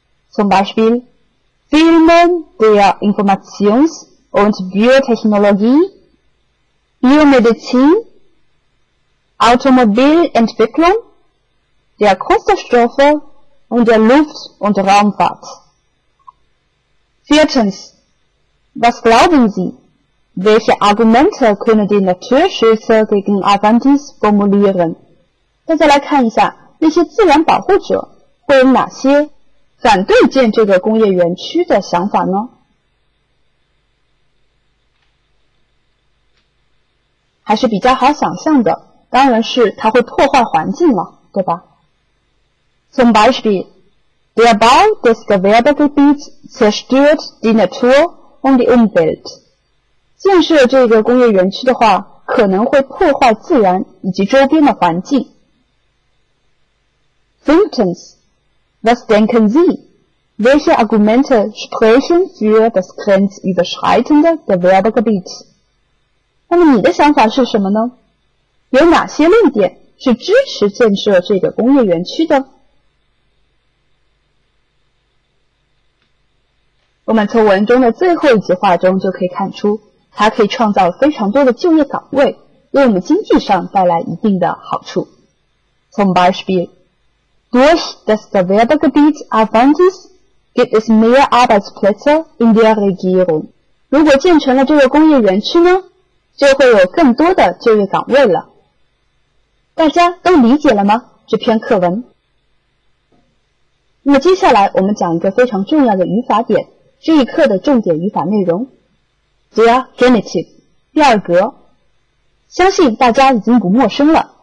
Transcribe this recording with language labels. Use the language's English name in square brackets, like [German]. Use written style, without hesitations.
[German] Zum Beispiel, Firmen der Informations- und Biotechnologie, Biomedizin, Automobilentwicklung,der Kunststoffe und der Luft- und Raumfahrt. Viertens, was glauben Sie, welche Argumente können die Naturschützer gegen Avantis formulieren? [Chinese] 大家来看一下，那些自然保护者会有哪些反对建这个工业园区的想法呢？还是比较好想象的，当然是它会破坏环境了，对吧？ [German] Zum Beispiel, der Bau des Gewerbegebiets zerstört die Natur und die Umwelt. [Chinese] 建设这个工业园区的话，可能会破坏自然以及周边的环境。 [German] Fünftens, was denken Sie? Welche Argumente sprechen für das grenzüberschreitende Gewerbegebiet? [Chinese] 那么你的想法是什么呢？有哪些论点是支持建设这个工业园区的？我们从文中的最后一句话中就可以看出，它可以创造非常多的就业岗位，为我们经济上带来一定的好处。 [German] Zum Beispiel, durch das Gewerbegebiet Avantis gibt es mehr Arbeitsplätze in der Regierung. [Chinese] 如果建成了这个工业园区呢，就会有更多的就业岗位了。大家都理解了吗？这篇课文。那么接下来我们讲一个非常重要的语法点，这一课的重点语法内容 The Genitive 第二格，相信大家已经不陌生了。